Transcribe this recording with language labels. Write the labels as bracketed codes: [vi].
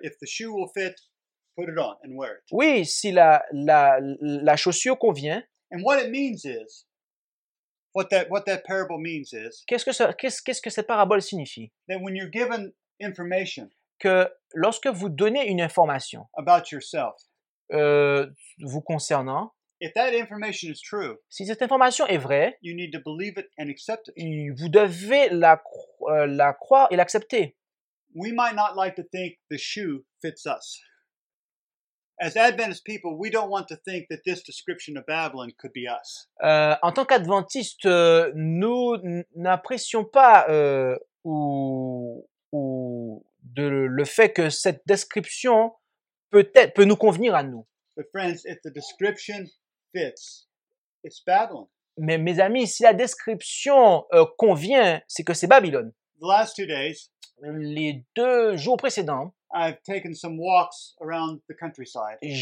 [en] If the shoe will fit, put it on and wear it. [fr] Oui, si la chaussure convient. [en] And what it means is, What that parable means is, [fr] qu'est-ce que cette parabole signifie? [en] That when you're given information, [fr] que lorsque vous donnez une information [en] about yourself, [fr] vous concernant, [en] if that information is true, [fr] si cette information est vraie, [en] you need to believe it and accept it. [fr] Vous devez la croire et l'accepter. [en] We might not like to think the shoe fits us. As Adventist people, we don't want to think that this description of Babylon could be us. [fr] En tant qu'adventistes, nous n'apprécions pas ou de le fait que cette description peut-être peut nous convenir à nous. [en] But friends, if the description fits, it's Babylon. [fr] Mais mes amis, si la description convient, c'est que c'est Babylone. [en] The last 2 days, [fr] les 2 jours précédents, [en] I've taken some walks around the countryside.